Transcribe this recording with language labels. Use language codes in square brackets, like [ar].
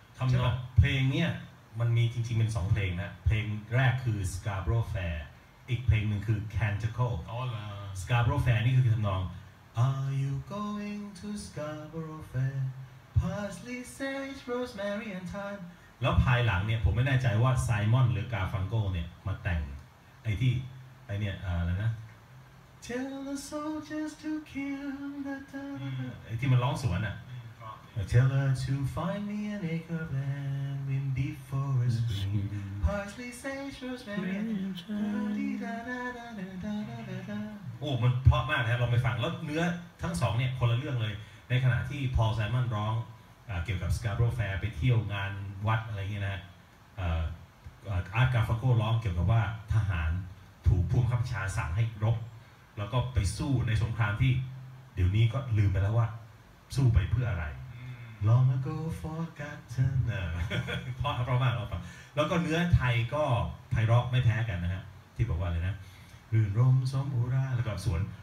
[th] ทำนองเพลงเนี่ยมันมีจริงๆเป็น2เพลงนะเพลงแรกคือ Scarborough Fair อีกเพลงหนึ่งคือ Canticle Scarborough Fair นี่คือทำนอง [en] Are you going to Scarborough Fair Parsley, sage, rosemary and thyme [th] แล้วภายหลังเนี่ยผมไม่แน่ใจว่า Simon หรือ Garfunkel เนี่ยมาแต่งไอ้เนี่ยอะไรนะ [en] Tell the soldiers to kill the town [th] ไอ้ที่มันร้องสวนอะ [en] Tell her to find me an acre of land in deep forest green, parsley, sage, rosemary, da-da-da-da-da-da-da-da. [th] โอ้มันเพราะมากนะเราไปฟังแล้วเนื้อทั้งสองเนี่ยคนละเรื่องเลยในขณะที่พอลไซมอนร้องเกี่ยวกับ Scarborough Fair ไปเที่ยวงานวัดอะไรเงี้ยนะอ าร์ตการ์ฟังโกร้องเกี่ยวกับว่าทหารถูกผู้บังคับบัญชาสั่งให้รบแล้วก็ไปสู้ในสงครามที่เดี๋ยวนี้ก็ลืมไปแล้วว่าสู้ไปเพื่ออะไร [en] Long ago forgotten [th] พอประมาณเราฟังแล้วก็เนื้อไทยก็ไพเราะไม่แพ้กันนะฮะที่บอกว่าเลยนะรื่นรมสมอุราแล้วก็สวน